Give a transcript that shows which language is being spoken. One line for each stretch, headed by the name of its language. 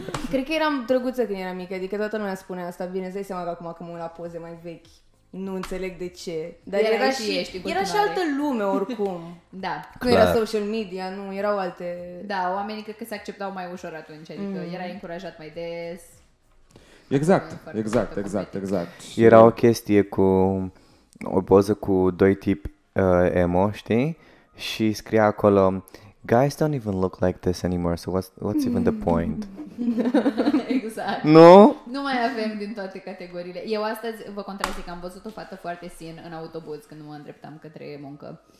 Romanian: Cred că eram drăguță când eram mică. Adică toată lumea spune asta. Bine, îți dai seama că acum când mă uit la poze mai vechi, nu înțeleg de ce. Dar era și altă lume oricum. Da. Nu era social media, nu, erau alte. Da, oamenii cred că se acceptau mai ușor atunci. Adică erai încurajat mai des. Exact, exact, exact, exact. Era o chestie cu o poză cu doi tipi emo, știi? Și scria acolo,
English: guys don't even look like this anymore, so what's even the point?
Romanian: Exact. Nu? Nu mai avem din toate categoriile. Eu astăzi vă contrazic, am văzut o fată foarte sin în autobuz când mă îndreptam către muncă.